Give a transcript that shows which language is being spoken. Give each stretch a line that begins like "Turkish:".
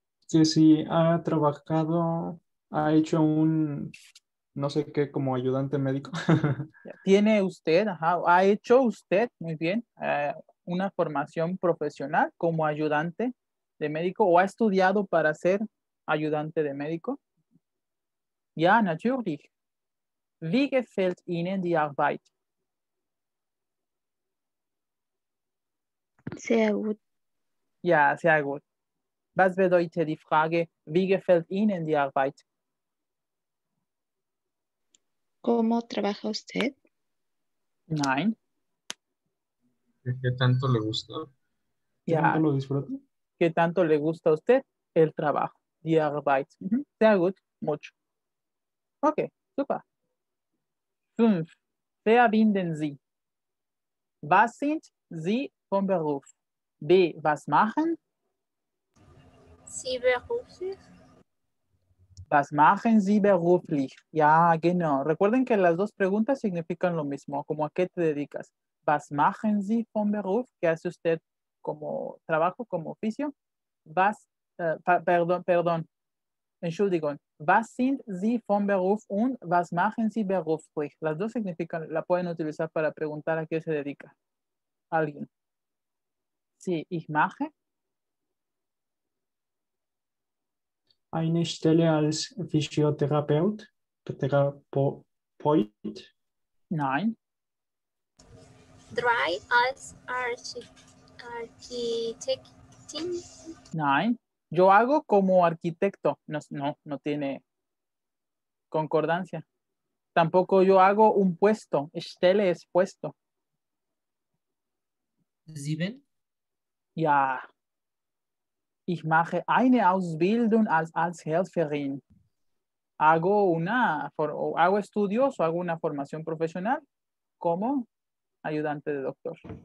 Spanish: Que si ha trabajado, ha hecho un, no sé qué, como ayudante médico. Tiene usted, ajá, ha hecho usted, muy bien, una formación profesional como ayudante de médico o ha estudiado para ser ayudante de médico.
German: Ya, ja, natürlich. Wie gefällt Ihnen die Arbeit? Sehr gut. Ja, sehr gut. Was bedeutet die Frage, wie gefällt Ihnen die Arbeit?
Spanish: ¿Cómo trabaja usted?
German: Nein.
Spanish: ¿Qué tanto le gusta? Yeah. ¿Qué tanto lo disfruta? ¿Qué tanto le gusta a usted el trabajo?
German: Die Arbeit. Mm-hmm. Sehr gut, mucho. Ok, super. Fünf. Wer binden Sie? Was sind Sie vom Beruf? B. Was machen? Sie beruflich. Was machen Sie beruflich? Ja, genau.
Spanish: Recuerden que las dos preguntas significan lo mismo, como a qué te dedicas.
German: Was machen Sie vom Beruf?
Spanish: ¿Qué hace usted como trabajo, como oficio?
German: Was, perdón. Entschuldigung. Was sind Sie vom Beruf und was machen Sie beruflich?
Spanish: Las dos significan, la pueden utilizar para preguntar a qué se dedica alguien.
German: Sí, ich mache. Eine Stelle als Physiotherapeut, Therapeut? Nein. Drei als Architektin? Nein.
Spanish: Yo hago como arquitecto. No tiene concordancia. Tampoco yo hago un puesto. Stelle es puesto.
German: Sieben. Ja. Ich mache eine Ausbildung als Helferin.
Spanish: Hago una, hago estudios o hago una formación profesional como ayudante de doctor.